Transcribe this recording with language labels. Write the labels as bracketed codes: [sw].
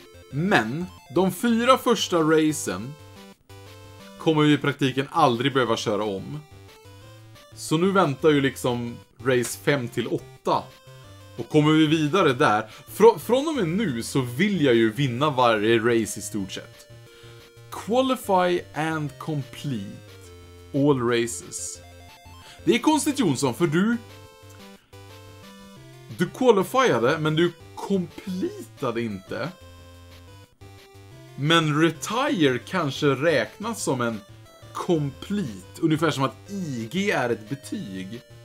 [sv] Men, de fyra första racen kommer vi i praktiken aldrig behöva köra om. Så nu väntar ju liksom race 5-8. Och kommer vi vidare där, från och med nu så vill jag ju vinna varje race i stort sett. [en] Qualify and complete all races. [sv] Det är konstigt, Jonsson, för du qualifierade, men du completade inte. Men retire kanske räknas som en complete, ungefär som att IG är ett betyg.